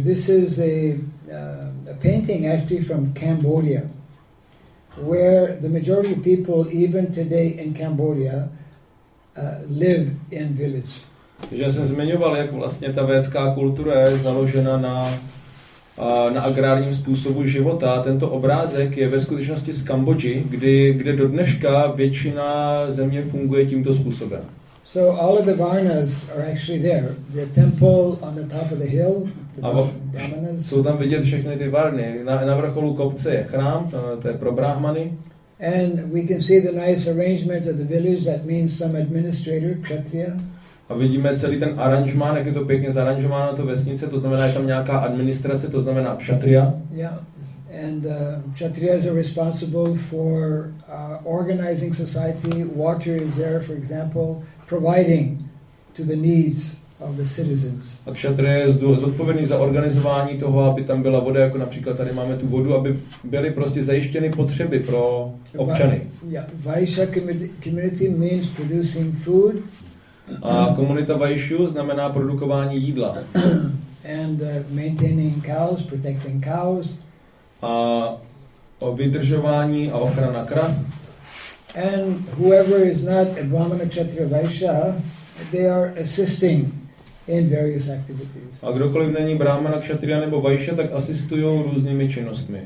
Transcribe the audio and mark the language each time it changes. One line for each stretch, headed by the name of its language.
English: This is a painting actually from Cambodia, where the majority of people, even today in Cambodia, live in village.
Czech: Já jsem zmiňoval, jak vlastně ta vedská kultura je založena na agrárním způsobu života. Tento obrázek je ve skutečnosti z Kambodži, kde do dneška většina země funguje tímto způsobem.
English: So all of the varnas are actually there. The temple on the top of the hill, the brahmanas.
Czech: Jsou tam vidět všechny ty varny. Na vrcholu kopce je chrám, to je pro brahmany.
English: And we can see the nice arrangement of the village, that means some administrator, kshatriya.
Czech: A vidíme celý ten aranžmán, jak je to pěkně zaranžováno, to vesnice, to znamená, je tam nějaká administrace, to znamená kšatria.
English: Yeah. And kšatrias are responsible for organizing society. Water is there, for example, providing to the needs of the citizens.
Czech: A kšatria je zodpovědný za organizování toho, aby tam byla voda, jako například tady máme tu vodu, aby byly prostě zajištěny potřeby pro občany.
English: Yeah. Vaisha community means producing food.
Czech: A komunita Vaishu znamená produkování jídla.
English: And maintaining cows, protecting cows.
Czech: A o vydržování a ochrana krav.
English: And whoever is not a Brahmana Kshatriya Vaishya, they are assisting in various activities.
Czech: A kdokoliv není Brahmana Kshatriya nebo Vaishya, tak asistují různými činnostmi.